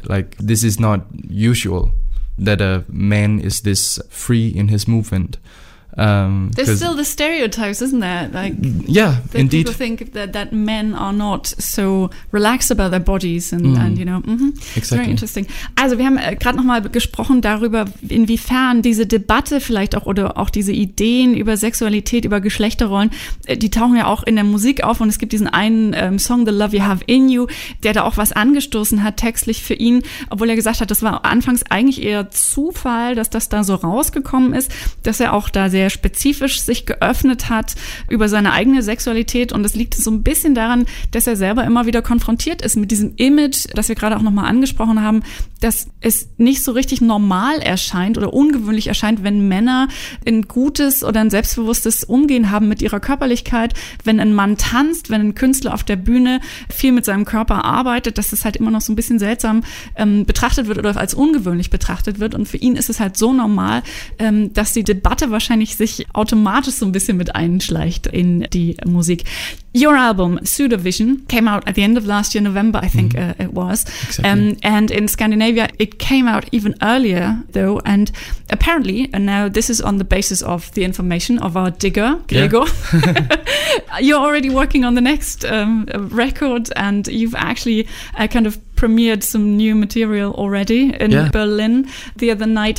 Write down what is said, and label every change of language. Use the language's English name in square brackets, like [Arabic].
[English] Like, this is not usual that a man is this free in his movement. There's still the stereotypes, isn't there? Like, yeah, that indeed. People think that men are not so relaxed about their bodies and you know. Exactly. Very interesting. [German] Also, wir haben gerade nochmal gesprochen darüber, inwiefern diese Debatte vielleicht auch oder auch diese Ideen über Sexualität, über Geschlechterrollen, die tauchen ja auch in der Musik auf. Und es gibt diesen einen Song, The Love You Have In You, der da auch was angestoßen hat textlich für ihn, obwohl er gesagt hat, das war anfangs eigentlich eher Zufall, dass das da so rausgekommen ist, dass er auch da sehr spezifisch sich geöffnet hat über seine eigene Sexualität. Und das liegt so ein bisschen daran, dass er selber immer wieder konfrontiert ist mit diesem Image, das wir gerade auch nochmal angesprochen haben, dass es nicht so richtig normal erscheint oder ungewöhnlich erscheint, wenn Männer ein gutes oder ein selbstbewusstes Umgehen haben mit ihrer Körperlichkeit. Wenn ein Mann tanzt, wenn ein Künstler auf der Bühne viel mit seinem Körper arbeitet, dass das halt immer noch so ein bisschen seltsam betrachtet wird oder als ungewöhnlich betrachtet wird. Und für ihn ist es halt so normal, dass die Debatte wahrscheinlich sich automatisch so ein bisschen mit einschleicht in die Musik. [English] Your album, Pseudovision, came out at the end of last year, November, I think it was. Exactly. And in Scandinavia, it came out even earlier, though. And apparently, and now this is on the basis of the information of our digger, Gregor, you're already working on the next record, and you've actually kind of premiered some new material already in Berlin the other night.